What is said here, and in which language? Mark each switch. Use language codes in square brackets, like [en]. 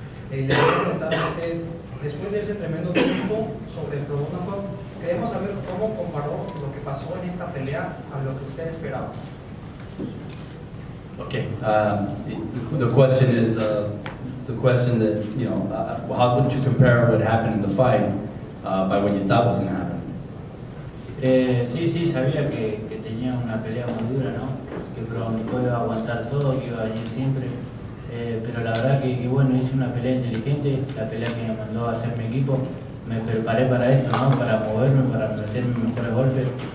[es] Le voy a preguntar a usted, después de ese tremendo triunfo sobre el Provodnikov, queremos saber cómo comparó lo que pasó en esta pelea a lo que usted esperaba. [en] Okay, the question is the question that, you know, how would you compare what happened in the fight by what you thought was going to happen? [es] Sí, sabía que tenía una pelea muy dura, ¿no? Que Provodnikov iba a aguantar todo, que iba a ir siempre. Pero la verdad que bueno, hice una pelea inteligente, la pelea que me mandó a hacer mi equipo. Me preparé para esto, ¿no? Para moverme, para meter mis mejores golpes.